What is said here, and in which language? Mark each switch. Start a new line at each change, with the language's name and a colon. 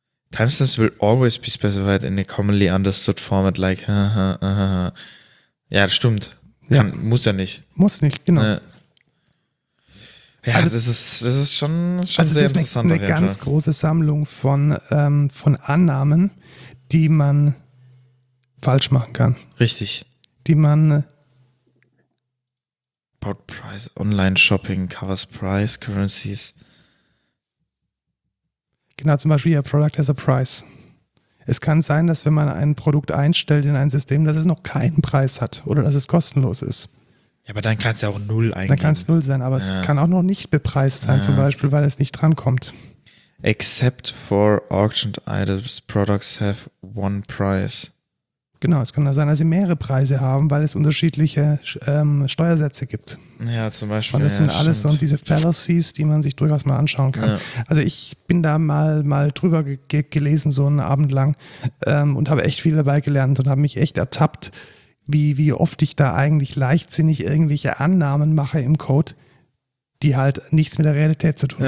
English: Timestamps will always be specified in a commonly understood format like
German: ja, das stimmt. Kann, ja. Muss ja nicht. Muss nicht, genau. Ja, also, das ist schon sehr interessant. Das ist eine ganz große Sammlung von Annahmen, die man falsch machen kann. Richtig. Die man
English: About price, online shopping covers price, currencies.
German: Genau, zum Beispiel,
English: your product has a price.
German: Es kann sein, dass wenn man ein Produkt einstellt in ein System, dass es noch keinen Preis hat oder dass es kostenlos ist. Ja, aber dann kann es ja auch null eingeben. Dann kann es null sein, aber ja. Es kann auch noch nicht bepreist sein, ja. Zum Beispiel, weil es nicht drankommt.
English: Except for auctioned items, products have one price.
German: Genau, es kann da sein, dass sie mehrere Preise haben, weil es unterschiedliche Steuersätze gibt. Ja, zum Beispiel. Und das sind ja, alles stimmt. So diese Fallacies, die man sich durchaus mal anschauen kann. Ja. Also ich bin da mal drüber gelesen, so einen Abend lang, und habe echt viel dabei gelernt und habe mich echt ertappt, wie oft ich da eigentlich leichtsinnig irgendwelche Annahmen mache im Code, die halt nichts mit der Realität zu tun